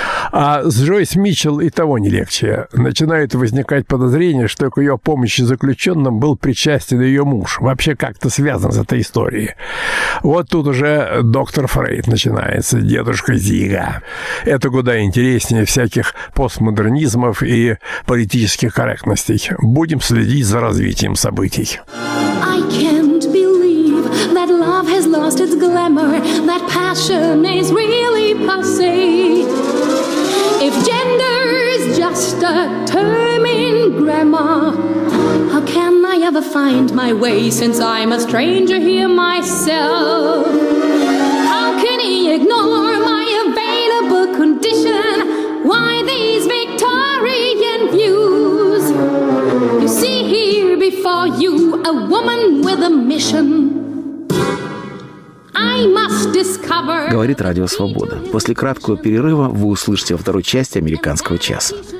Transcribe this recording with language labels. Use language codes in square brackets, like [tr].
[ru] А с Джойс Митчелл и того не легче. Начинает возникать подозрение, что к ее помощи заключенным был причастен ее муж. Вообще как-то связан с этой историей. Вот тут уже доктор Фрейд начинается, дедушка Зига. Это куда интереснее всяких постмодернизмов и политических корректностей. Будем следить за развитием событий. [en] I can't believe that love has lost its glamour, that passion is really passé. If gender is just a term in grammar, how can I ever find my way since I'm a stranger here myself? How can he ignore my available condition? Why these Victorian views? You see here before you a woman with a mission. [ru] Говорит Радио Свобода. После краткого перерыва вы услышите во второй части «Американского часа».